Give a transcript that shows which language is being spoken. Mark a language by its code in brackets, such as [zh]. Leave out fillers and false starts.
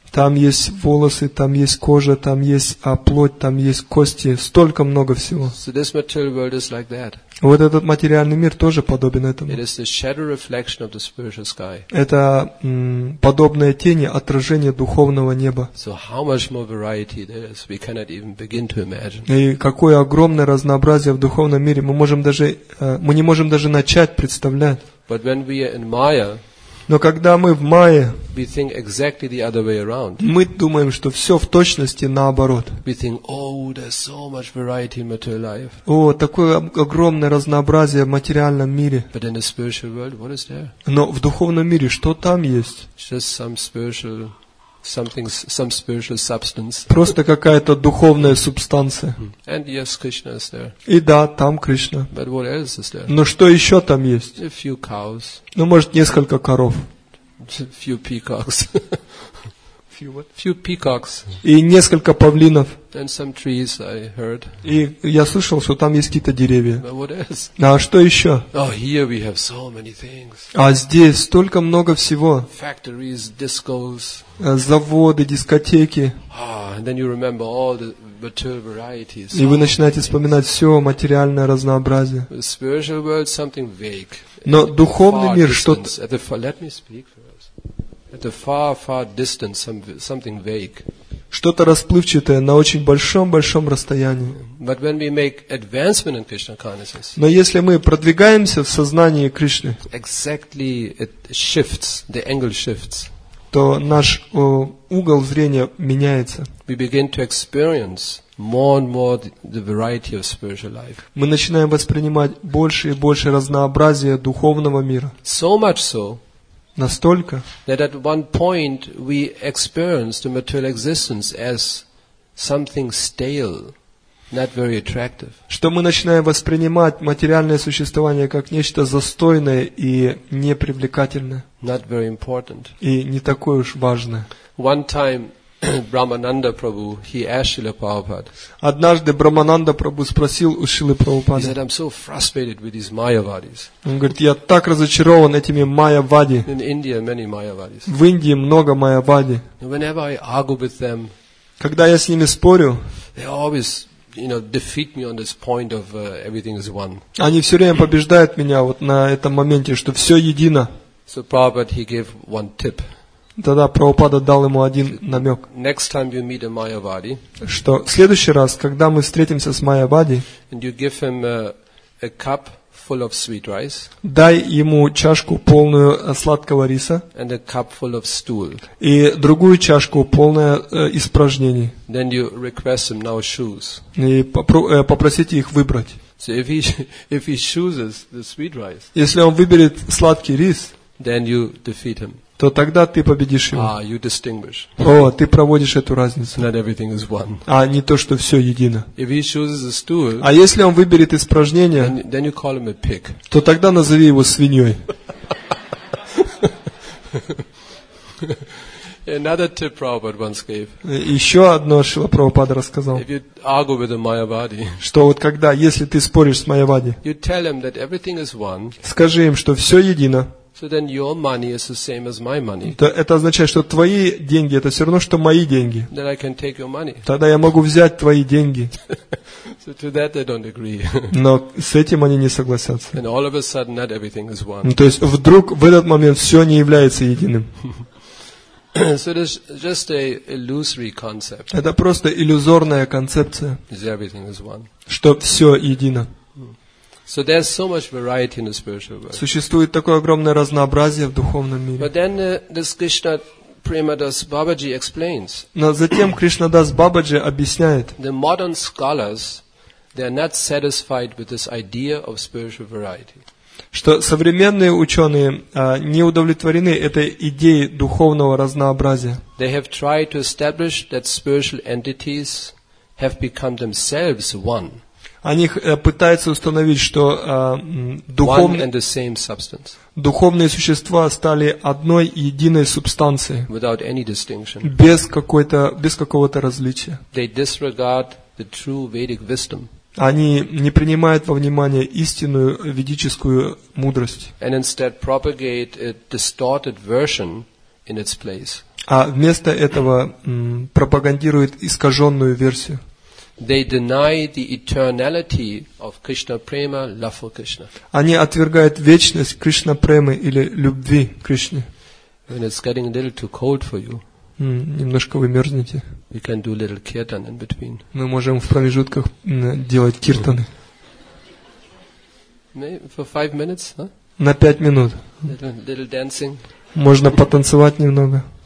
[ru] Там есть волосы, там есть кожа, там есть плоть, там есть кости, столько много всего. [en] So this material world is like that. [ru] Вот этот материальный мир тоже подобен этому. [en] It is the shadow reflection of the spiritual sky. [ru] Это подобное тени, отражение духовного неба. [en] So how much more variety there is, we cannot even begin to imagine. [ru] И какое огромное разнообразие в духовном мире, мы не можем даже начать представлять. [en] But when we are in Maya, [ru] но когда мы в Майе, [en] we think exactly the other way around. [ru] Мы думаем, что все в точности наоборот. [en] We think, oh, there's so much variety in material life. [ru] О, такое огромное разнообразие в материальном мире. [en] But in the spiritual world, what is there? [ru] Но в духовном мире что там есть? [en] Just some spiritual, something, some spiritual substance. [ru] Просто какая-то духовная субстанция. [en] And yes, Krishna is there. [ru] И да, там Кришна. [en] But what else is there? [ru] Но что еще там есть? [en] A few cows. [ru] Ну, может, несколько коров. [en] Few peacocks. Few what? Few peacocks. [ru] И несколько павлинов. [en] And some trees, I heard. [ru] И я слышал, что там есть какие-то деревья. [en] But what else? [ru] А что еще? [en] Oh, here we have so many things. [ru] А здесь столько много всего. [en] Factories, discos. [ru] Заводы, дискотеки. [en] Ah, and then you remember all the material varieties. [ru] И вы начинаете вспоминать все материальное разнообразие. [en] The spiritual world, something vague. [ru] Но духовный мир что-то. [en] Let me speak. At a far, far distance, something vague. [ru] Что-то расплывчатое на очень большом-большом расстоянии. [en] But when we make advancement in Krishna consciousness, [ru] но если мы продвигаемся в сознании Кришны, [en] exactly it shifts, the angle shifts. [ru] То наш угол зрения меняется. [en] We begin to experience more and more the variety of spiritual life. [ru] Мы начинаем воспринимать больше и больше разнообразия духовного мира. [en] So much so, [ru] настолько, [en] that at one point we experience the material existence as something stale, not very attractive. [ru] Что мы начинаем воспринимать материальное существование как нечто застойное и непривлекательное. [en] Not very important. [ru] И не такое уж важное. [en] One time Brahmananda Prabhu, he asked Srila Prabhupada. [ru] Однажды Брамананда Прабху спросил у Шрилы Прабхупады. [en] He said, I'm so frustrated with these Mayavadis. [ru] Он говорит, я так разочарован этими Майявади. [en] In India, many Mayavadis. [ru] В Индии много Майявади. [en] Whenever I argue with them, [ru] когда я с ними спорю, [en] they always, you know, defeat me on this point of everything is one. [ru] Они все время побеждают меня вот на этом моменте, что все едино. [en] So Prabhupada, he gave one tip. [ru] Тогда Прабхупада дал ему один намек. [en] Next time you meet a Mayavadi, [ru] что в следующий раз, когда мы встретимся с Майявади, [en] and you give him a cup full of sweet rice, [ru] дай ему чашку полную сладкого риса, [en] and a cup full of stool, [ru] и другую чашку полная испражнений. [en] Then you request him now choose. [ru] И попросите их выбрать. [en] So if he chooses the sweet rice, [ru] если он выберет сладкий рис, [en] then you defeat him. [ru] То тогда ты победишь его. [en] Ah, you distinguish. [ru] О, ты проводишь эту разницу. [en] Not everything is one. [ru] А не то, что все едино. [en] If he chooses a stool, [ru] а если он выберет испражнение, [en] then you call him a pig. [ru] То тогда назови его свиньей. [en] Another tip Prabhupada once gave. [ru] Еще одно Шрила Прабхупада рассказал. [en] If you argue with the Mayavadi, [ru] что вот когда, если ты споришь с Майявади, [en] you tell him that everything is one. [ru] Скажи им, что все едино. [en] So then your money is the same as my money. [ru] То это означает, что твои деньги это все равно, что мои деньги. [en] Then I can take your money. [ru] Тогда я могу взять твои деньги. [en] So to that they don't agree. [ru] Но с этим они не согласятся. [en] And all of a sudden, not everything is one. [ru] Ну, то есть вдруг в этот момент все не является единым. [en] So this just a illusory concept. [ru] Это просто иллюзорная концепция. [en] Everything is one. [ru] Что все едино. [en] So there's so much variety in the spiritual world. [ru] Существует такое огромное разнообразие в духовном мире. [en] But then this Krishna Premadas Babaji explains. [ru] Но затем Кришнадас Бабаджи объясняет. [en] The modern scholars, they are not satisfied with this idea of spiritual variety. [ru] Что современные ученые не удовлетворены этой идеей духовного разнообразия. [en] They have tried to establish that spiritual entities have become themselves one. [ru] Они пытаются установить, что духовные существа стали одной единой субстанцией, без какого-то различия. [en] They disregard the true Vedic wisdom. [ru] Они не принимают во внимание истинную ведическую мудрость. [en] And instead propagate a distorted version in its place. [ru] А вместо этого пропагандируют искаженную версию. [en] They deny the eternality of Krishna Prema, love for Krishna. [ru] Они отвергают вечность Кришна Премы или любви к Кришне. [en] When it's getting a little too cold for you. [ru] Немножко вы мерзнете. [en] We can do little kirtan in between. [ru] Мы можем в промежутках делать киртаны. [en] For 5 minutes, huh? [ru] На 5 минут. [en] Little dancing. [ru] Можно потанцевать немного.